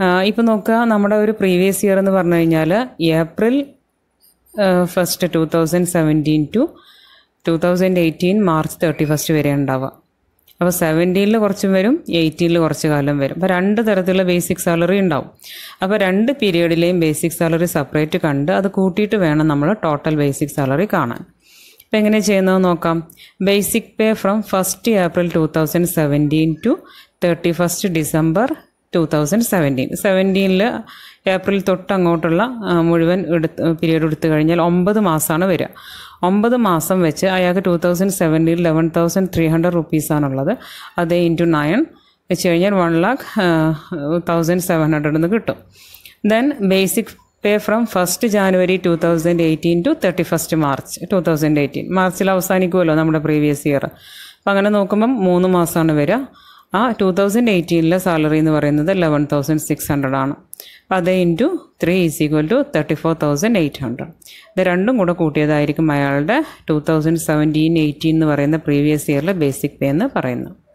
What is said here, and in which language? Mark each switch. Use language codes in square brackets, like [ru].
[ml] ഇപ്പോൾ നോക്കുക, നമ്മുടെ ഒരു പ്രീവിയസ് ഇയർ എന്ന് പറഞ്ഞു കഴിഞ്ഞാൽ April 1st, 2017 to 2018 March 31st വരെ ഉണ്ടാവുക. അപ്പോൾ 17 കുറച്ചും വരും, 18 കുറച്ച് കാലം വരും. അപ്പോൾ രണ്ട് തരത്തിലുള്ള ബേസിക് സാലറി ഉണ്ടാവും. അപ്പോൾ രണ്ട് പീരീഡിലെയും ബേസിക് സാലറി സെപ്പറേറ്റ് കണ്ട് അത് കൂട്ടിയിട്ട് വേണം നമ്മൾ ടോട്ടൽ ബേസിക് സാലറി കാണാൻ. അപ്പോൾ എങ്ങനെ ചെയ്യുന്നത് നോക്കാം. [en] Basic pay from 1st April 2017 to 31st December 2017. [ml] 17 April തൊട്ട് അങ്ങോട്ടുള്ള മുഴുവൻ പീരീഡ് എടുത്തു കഴിഞ്ഞാൽ 9 മാസമാണ് വരിക. 9 മാസം വെച്ച് അയാൾക്ക് 2017 11,300 rupees ആണുള്ളത്. അത് ഇൻറ്റു 9 വെച്ച് കഴിഞ്ഞാൽ 1,00,700 എന്ന് കിട്ടും. [en] Then basic pay from 1st January 2018 to 31st March 2018. [ml] മാർച്ചിൽ അവസാനിക്കുമല്ലോ നമ്മുടെ പ്രീവിയസ് ഇയർ. അപ്പം അങ്ങനെ നോക്കുമ്പം 3 മാസമാണ് വരിക. ആ 2018 സാലറി എന്ന് പറയുന്നത് 11,600 ആണ്. അപ്പോൾ അത് ഇൻറ്റു 3 = 34,800. ഇത് രണ്ടും കൂടെ കൂട്ടിയതായിരിക്കും അയാളുടെ 2017-18 എന്ന് പറയുന്ന പ്രീവിയസ് ഇയറിലെ ബേസിക് പേ എന്ന് പറയുന്നു.